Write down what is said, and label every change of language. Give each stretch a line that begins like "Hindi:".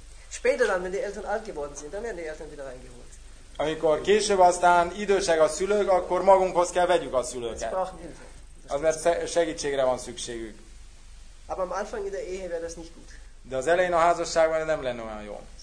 German: Später dann, wenn die Eltern alt geworden sind, dann werden die Eltern wieder reingeholt.
Hungarian: Amikor később aztán idősek a szülők, akkor magunkhoz kell vegyük a szülőket. Az mert segítségre van szükségük.
German: Aber am Anfang in der Ehe wäre das nicht gut.
Hungarian: De az elején a házasságban nem lenne olyan jó.